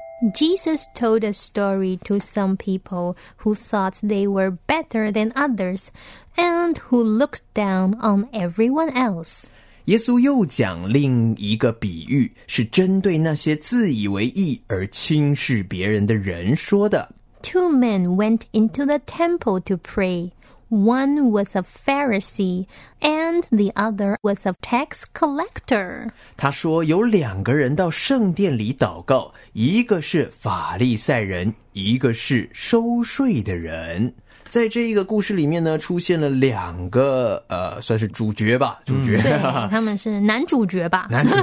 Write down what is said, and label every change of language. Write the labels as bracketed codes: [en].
[en] Jesus told a story to some people who thought they were better than others and who looked down on everyone else. [zh] 耶稣又讲另一个比喻，是针对那些自以为义而轻视别人的人说的。 Two men went into the temple to pray. One was a Pharisee and the other was a tax collector. 他说有两个人到圣殿里祷告，一个是法利赛人，一个是收税的人。在这一个故事里面呢出现了两个算是主角吧，主角。对，他们是男主角吧。男主角。